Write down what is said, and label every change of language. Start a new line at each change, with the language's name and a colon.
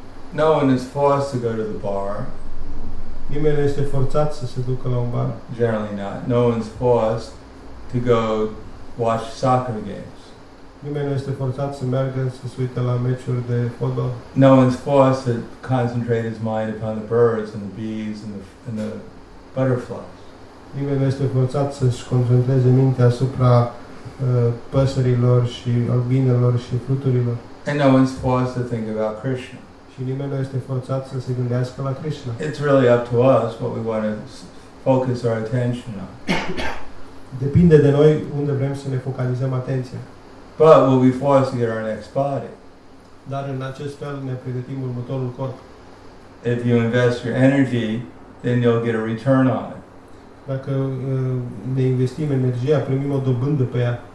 English: No one is forced to go to the bar.
Romanian: Nimeni este forțat să se ducă la un bar.
English: Generally not. No one's forced to go watch soccer games.
Romanian: Nimeni este forțat să meargă să se uite la meciuri de fotbal.
English: No one's forced to concentrate his mind upon the birds and the bees and the butterflies.
Romanian: Nimeni nu este forțat să-și concentreze mintea asupra păsărilor și albinelor și fruturilor.
English: And no one's forced to think about Krishna.
Romanian: Și nimeni nu este forțat să se gândească la Krishna.
English: It's really up to us what we want to focus our attention on.
Romanian: Depinde de noi unde vrem să ne focalizăm atenția.
English: But we'll be forced to get our next body.
Romanian: Dar în acest fel ne pregătim următorul corp.
English: If you invest your energy, then you'll get a return on it.
Romanian: Dacă ne investim energia, primim o dobândă pe ea.